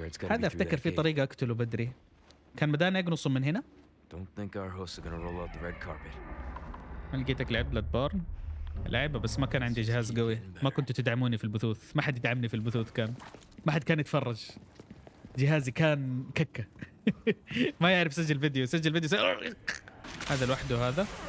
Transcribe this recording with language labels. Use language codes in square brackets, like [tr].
[ar] هذا افتكر في طريقة اقتله بدري. كان بدانا يقنصه من هنا. [en] Don't think our hosts are gonna roll out the red carpet. [ar] لقيتك لعب بلادبورن. لعبة بس ما كان عندي جهاز قوي. ما كنتوا تدعموني في البثوث. ما حد يدعمني في البثوث كان. ما حد كان يتفرج. جهازي كان ككة. ما يعرف سجل فيديو. سجل فيديو. هذا لوحده هذا.